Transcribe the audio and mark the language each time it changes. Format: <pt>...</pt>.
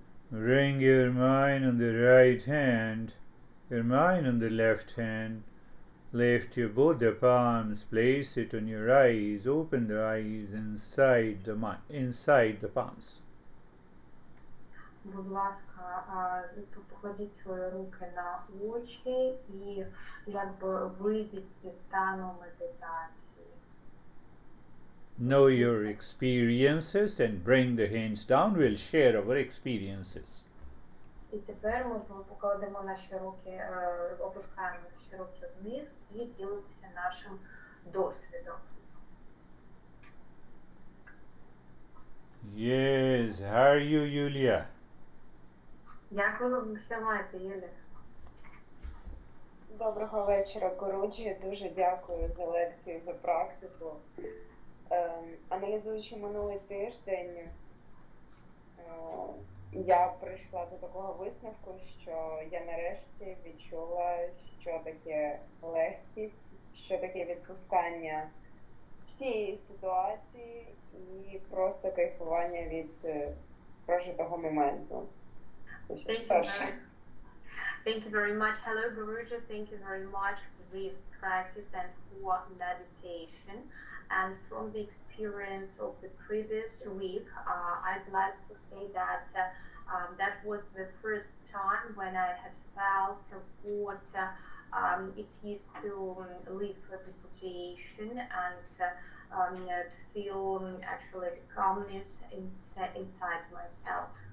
<en>Bring your mind on the right hand, your mind on the left hand. Lift your both the palms, place it on your eyes, open the eyes inside the mind, inside the palms.</en> <uk>Будь ласка, покладіть свої руки на очі і якби вийдіть з стану медитації.</uk> <en>Know your experiences and bring the hands down. We'll share our experiences.</en> <uk>І тепер ми покладемо наші руки, опускаємо наші руки вниз і ділимося нашим досвідом.</uk> <en>Yes, how are you, Yulia?</en> <uk>Як ви все маєте, Юлія? Доброго вечора, Куруджі. Дуже дякую за лекцію, за практику. Аналізуючи минулий тиждень, я прийшла до такого висновку, що я нарешті відчула, що таке легкість, що таке відпускання всієї ситуації і просто кайфування від прожитого моменту.</uk> <en>Thank you very much. Hello, Guruji. Thank you very much for this practice and for meditation. And from the experience of the previous week, I'd like to say that that was the first time when I had felt what it is to live with the situation and to feel actually the calmness inside myself.</en>